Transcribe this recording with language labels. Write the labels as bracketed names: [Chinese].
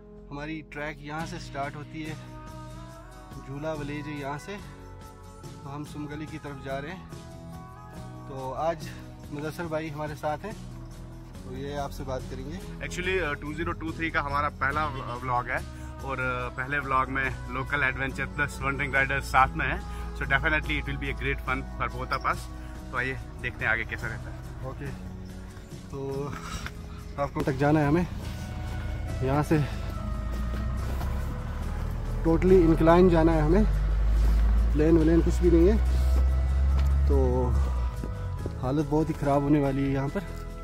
[Hindi] हमारी ट्रैक यहाँ से स्टार्ट होती है, झूला विलेज यहाँ से, तो हम सुम गली की तरफ जा रहे हैं. तो आज मुदस्सर भाई हमारे साथ हैं, तो ये आपसे बात करेंगे. एक्चुअली 2023 का हमारा पहला व्लॉग है और पहले व्लॉग में local adventure plus wondering rider साथ में है. [English] So definitely it will be a great fun for both of us. So [Hindi] आइए देखते हैं आगे कैसा रहता है. ओके, तो आपको तक जाना है हमें यहाँ से, टोटली इंक्लाइन जाना है हमें, प्लेन वलेन कुछ भी नहीं है. तो हालत बहुत ही ख़राब होने वाली है यहाँ पर.